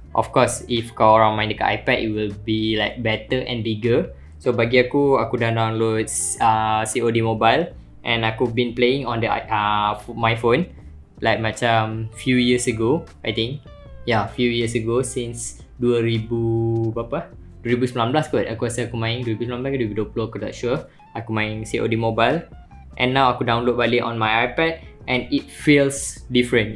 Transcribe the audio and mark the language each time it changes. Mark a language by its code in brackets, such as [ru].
[en] Of course if [ms] korang main dekat [en] iPad it will be like better and bigger. So [ms] bagi aku dah [en] download COD Mobile and aku been playing on the my phone like macam few years ago, I think. Yeah, few years ago, since 2019 kot. [ms] Aku rasa aku main 2019 ke 2020, aku tak sure. Aku main COD Mobile. [en] And now [ms] aku download balik [en] on my iPad and it feels different.